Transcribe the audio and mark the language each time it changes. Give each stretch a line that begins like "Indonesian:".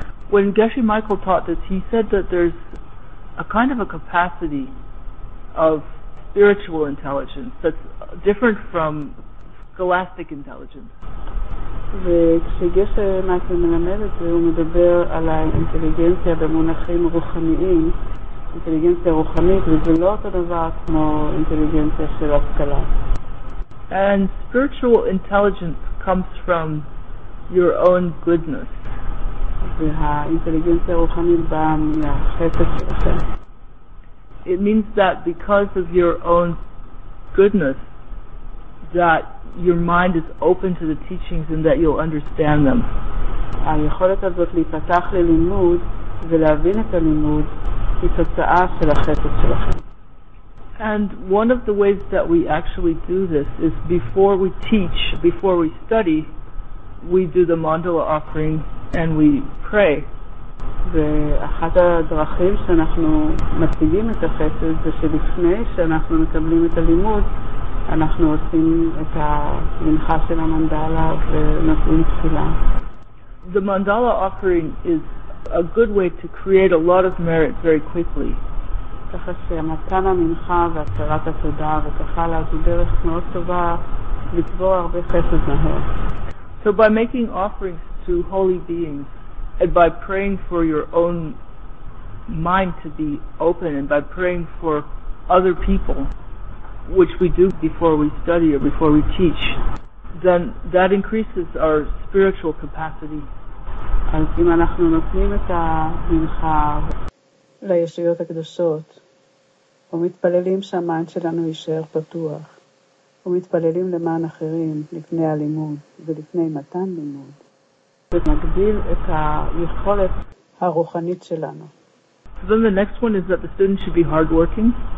English: When Geshe Michael taught this, he said that there's a kind of a capacity of spiritual intelligence that's different from scholastic intelligence.
Hebrew: וכשגשר מייקל מלמד את זה, הוא מדבר על האינטליגנציה במונחים רוחניים, אינטליגנציה רוחנית, וזה לא אותו דבר כמו אינטליגנציה של השכלה.
English: And spiritual intelligence comes from your own goodness.
Hebrew: והאינטליגנציה הרוחנית באה מהחסד שלכם.
English: It means that because of your own goodness, that your mind is open to the teachings and that you'll understand them.
Hebrew: היכולת הזאת להיפתח ללימוד ולהבין את הלימוד היא תוצאה של החסד שלכם.
English: And one of the ways that we actually do this is before we teach, before we study, we do the mandala offering and we pray.
Hebrew: ואחת הדרכים שאנחנו מציגים את החסד זה שלפני שאנחנו מקבלים את הלימוד, אנחנו עושים את המנחה של המנדלה ונותנים תפילה.
English: The mandala offering is a good way to create a lot of merit very quickly.
Hebrew: ככה שמתן המנחה והצהרת התודה וכך הלאה זו דרך מאוד טובה לצבור הרבה חסד מהר.
English: So by making offerings to holy beings and by praying for your own mind to be open and by praying for other people, which we do before we study or before we teach, then that increases our spiritual capacity.
Hebrew: אז אם אנחנו נותנים את המנחה לישויות הקדושות, ומתפללים שהמיינד שלנו יישאר פתוח, ומתפללים למען אחרים לפני הלימוד ולפני מתן לימוד, ומגדיל את היכולת הרוחנית שלנו.
English: Then the next one is that the student should be hardworking.